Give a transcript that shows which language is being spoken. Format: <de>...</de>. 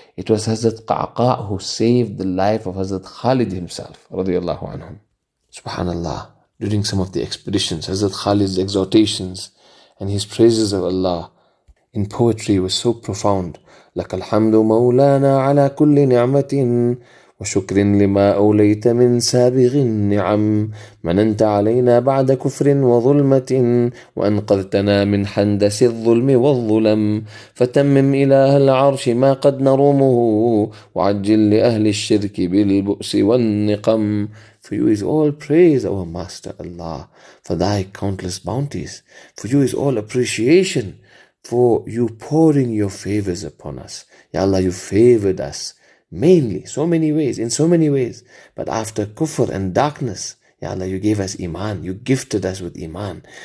<en>It was Hazrat Qa'qa who saved the life of Hazrat Khalid himself radiallahu anhum. Subhanallah, during some of the expeditions, Hazrat Khalid's exhortations and his praises of Allah in poetry was so profound.</en> <ar>Laka alhamdu maulana ala kulli ni'matin. وشكر لما أوليت من سابغ النعم مننت علينا بعد كفر وظلمة وأنقذتنا من حندس الظلم والظلم فتمم إله العرش ما قد نرومه وعجل لأهل الشرك بالبؤس والنقم.</ar> <en>For you is all praise, our Master Allah, for thy countless bounties. For you is all appreciation for you pouring your favors upon us. Ya Allah, you favored us mainly, so many ways, in so many ways. But after kufr and darkness, Ya Allah, you gave us iman, you gifted us with iman.</en>